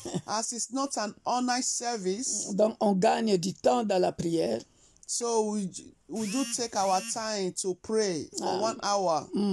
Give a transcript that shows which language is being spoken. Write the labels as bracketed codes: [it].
[en] as it's not an all-night service, [fr] donc on gagne du temps dans la prière. [en] So we do take our time to pray for 1 hour.